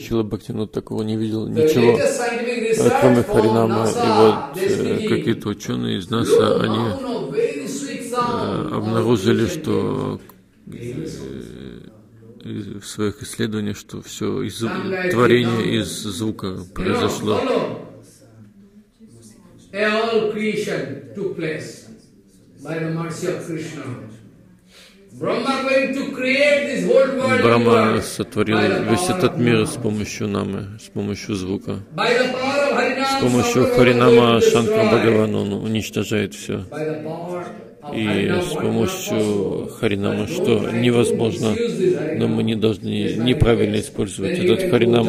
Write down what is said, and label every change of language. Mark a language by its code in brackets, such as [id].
[ru] Шрила Бхактивинода Тхакур не видел ничего, кроме Харинама. И вот какие-то ученые из НАСА, они обнаружили, что в своих исследованиях, что все из творения из звука произошло. [en] All creation took place by the mercy of Krishna. [ru] Брахма сотворил весь этот мир с помощью намы, с помощью звука. С помощью Харинама Шанкар Бхагаван он уничтожает все. И с помощью Харинама, что невозможно, но мы не должны неправильно использовать этот Харинам.